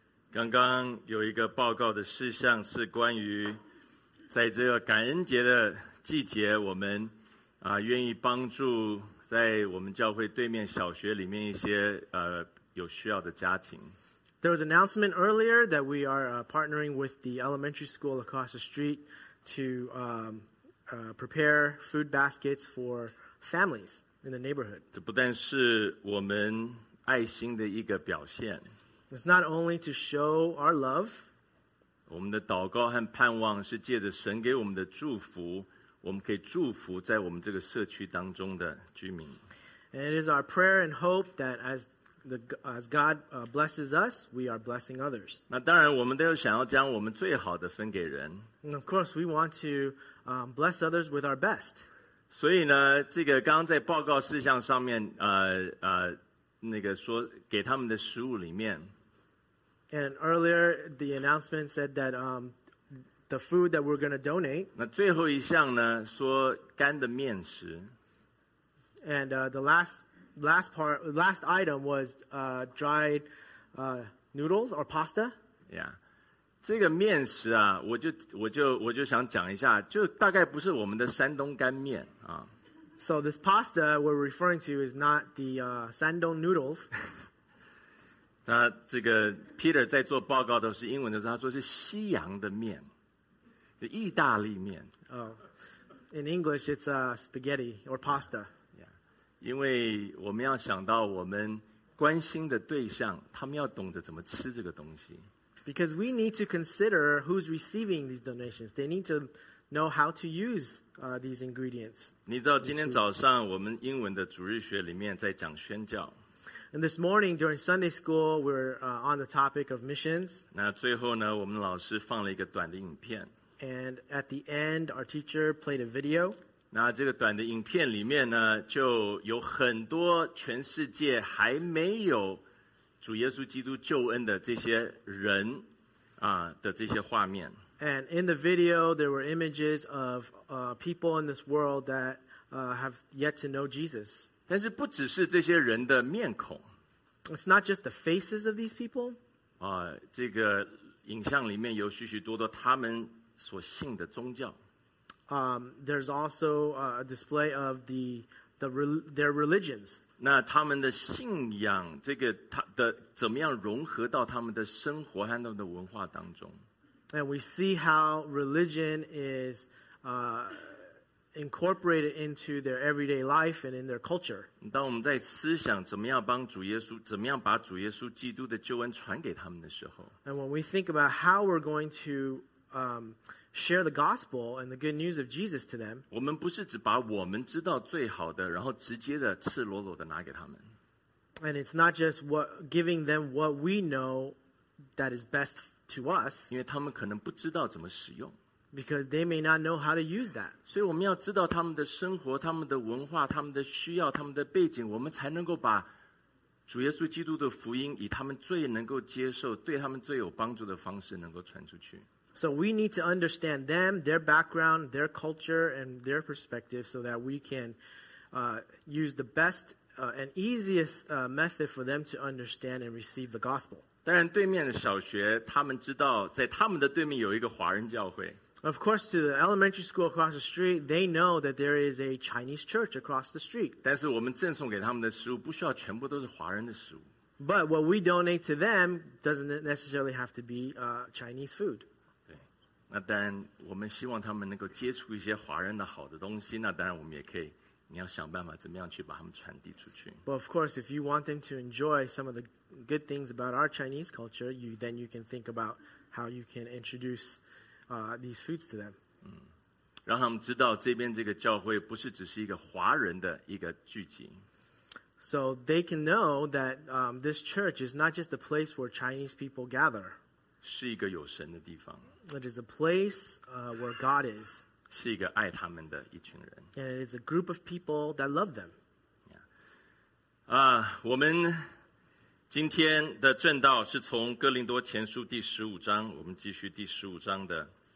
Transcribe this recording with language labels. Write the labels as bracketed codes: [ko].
[zh] 刚刚有一个报告的事项是关于在这个感恩节的季节，我们愿意帮助在我们教会对面小学里面一些有需要的家庭。 [en] There was an announcement earlier that we are partnering with the elementary school across the street to prepare food baskets for families in the neighborhood. [zh] 这不但是我们爱心的一个表现。 [en] It's not only to show our love. [zh] 我们的祷告和盼望是借着神给我们的祝福，我们可以祝福在我们这个社区当中的居民。 [en] And it is our prayer and hope that as God blesses us, we are blessing others. [zh] 那当然，我们都有想要将我们最好的分给人。 [en] And of course, we want to bless others with our best. [zh] 所以呢，这个刚刚在报告事项上面，那个说给他们的食物里面。 [en] And earlier, the announcement said that the food that we're going to donate. [zh] 那最后一项呢，说干的面食。 [en] And the last item was dried noodles or pasta. Yeah. [zh] 这个面食啊，我就想讲一下，就大概不是我们的山东干面啊。 [en] So this pasta we're referring to is not the Shandong noodles. [zh] 那这个 Peter 在做报告都是英文的时候，他说是西洋的面，就意大利面。 [en] Oh, in English it's spaghetti or pasta. Yeah. [zh] 因为我们要想到我们关心的对象，他们要懂得怎么吃这个东西。 [en] Because we need to consider who's receiving these donations. They need to know how to use these ingredients. [zh] 你知道今天早上我们英文的主日学里面在讲宣教。 [en] And this morning during Sunday school, we're on the topic of missions. [zh] 那最后呢，我们老师放了一个短的影片。 [en] And at the end, our teacher played a video. [zh] 那这个短的影片里面呢，就有很多全世界还没有主耶稣基督救恩的这些人的这些画面。 [en] And in the video, there were images of people in this world that have yet to know Jesus. [zh] 但是不只是这些人的面孔。 [en] It's not just the faces of these people. [zh] 这个影像里面有许许多多他们所信的宗教。 [en] There's also a display of their religions. [zh] 那他们的信仰，这个他的怎么样融合到他们的生活和他们的文化当中。 [en] And we see how religion is incorporated into their everyday life and in their culture. [zh] 当我们在思想怎么样帮主耶稣，怎么样把主耶稣基督的救恩传给他们的时候。 [en] And when we think about how we're going to share the gospel and the good news of Jesus to them. [zh] 我们不是只把我们知道最好的，然后直接的赤裸裸的拿给他们。 [en] And it's not just giving them what we know that is best to us, [zh] 因为他们可能不知道怎么使用。 [en] Because they may not know how to use that. [zh] 所以我们要知道他们的生活，他们的文化，他们的需要，他们的背景，我们才能够把主耶稣基督的福音以他们最能够接受，对他们最有帮助的方式能够传出去。 [en] So we need to understand them, their background, their culture, and their perspective so that we can use the best and easiest method for them to understand and receive the gospel. [zh] 当然对面的小学他们知道在他们的对面有一个华人教会。 [en] Of course, to the elementary school across the street, they know that there is a Chinese church across the street. [zh] 但是我们赠送给他们的食物不需要全部都是华人的食物。 [en] But what we donate to them doesn't necessarily have to be Chinese food. [zh] 对，那当然我们希望他们能够接触一些华人的好的东西，那当然我们也可以，你要想办法怎么样去把他们传递出去。 [en] But of course, if you want them to enjoy some of the good things about our Chinese culture, then you can think about how you can introduce these foods to them. [zh] 让他们知道这边这个教会不是只是一个华人的一个聚集。 [en] So they can know that this church is not just a place where Chinese people gather. [zh] 是一个有神的地方。 [en] It is a place where God is. [zh] 是一个爱他们的一群人。 [en] And it is a group of people that love them. Yeah. [zh] 我们今天的正道是从哥林多前书第十五章，我们继续第十五章的